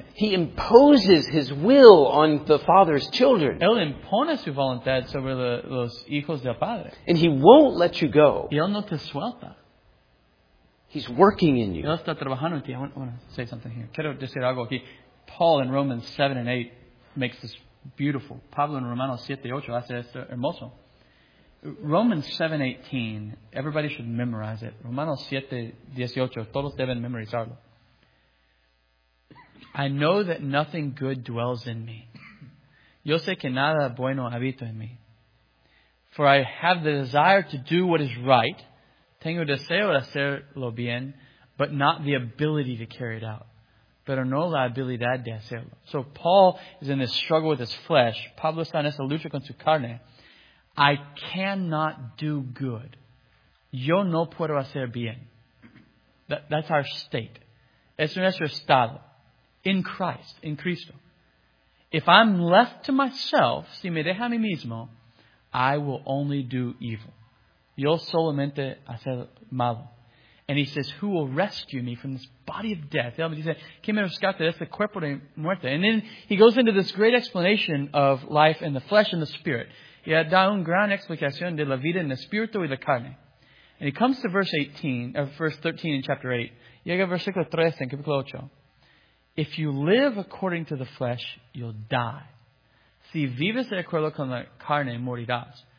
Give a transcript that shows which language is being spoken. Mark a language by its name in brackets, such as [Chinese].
[English] He imposes His will on the Father's children. [Spanish] Él impone su voluntad sobre los hijos del Padre. [English] And He won't let you go. [Spanish] Y él no te suelta. [English] He's working in you. [Spanish] Él está trabajando en ti. [English] I want to say something here. [Spanish] Quiero decir algo aquí. [English] Paul in Romans 7 and 8 makes this beautiful. [Spanish] Pablo en Romanos 7 y 8 hace esto hermoso. [English] Romans 7:18, everybody should memorize it. [Spanish] Romanos 7:18, todos deben memorizarlo. [English] I know that nothing good dwells in me. [Spanish] Yo sé que nada bueno habita en mí. [English] For I have the desire to do what is right. [Spanish] Tengo deseo de hacerlo bien, [English] but not the ability to carry it out. [Spanish] Pero no la habilidad de hacerlo. [English] So Paul is in this struggle with his flesh. [Spanish] Pablo está en esa lucha con su carne. [English] I cannot do good. [Spanish] Yo no puedo hacer bien. [English] That's our state. [Spanish] Es nuestro estado. [English] In Christ, in Cristo. If I'm left to myself, [Spanish] si me deja a mí mismo, [English] I will only do evil. [Spanish] Yo solamente hacer malo. [English] And he says, who will rescue me from this body of death? [Spanish] Él me dice, ¿quién me rescata de este cuerpo de muerte? [English] And then he goes into this great explanation of life in the flesh and the spirit. [Spanish] Y da una gran explicación de la vida en el espíritu y la carne. [English] And he comes to verse 18, or verse 13 in chapter 8. [Spanish] Llega versículo 3 en capítulo 8. [English] If you live according to the flesh, you'll die. [Spanish] Si vives de acuerdo con la carne, morirás.